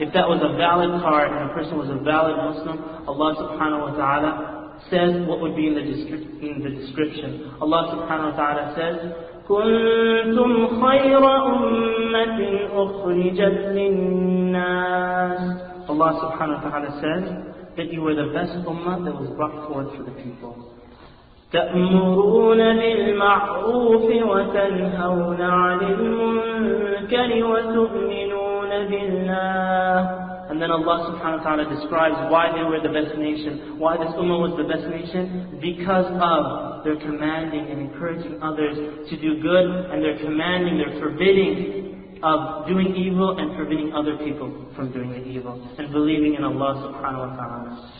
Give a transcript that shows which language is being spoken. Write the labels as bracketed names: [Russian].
[English] If that was a valid card and a person was a valid Muslim, Allah subhanahu wa ta'ala says what would be in the description. Allah subhanahu wa ta'ala says, [Arabic] كُنْتُمْ خَيْرَ أُمَّةٍ أُخْرِجَتْ لِلنَّاسِ [English] Allah subhanahu wa ta'ala says that you were the best ummah that was brought forth for the people. [Arabic] تأمرون بالمعروف وتنهون عن المنكر وتؤمنون بالله. [English] And then Allah subhanahu wa ta'ala describes why they were the best nation, why this ummah was the best nation, because of their commanding and encouraging others to do good, and their commanding, their forbidding of doing evil and forbidding other people from doing the evil, and believing in Allah subhanahu wa ta'ala.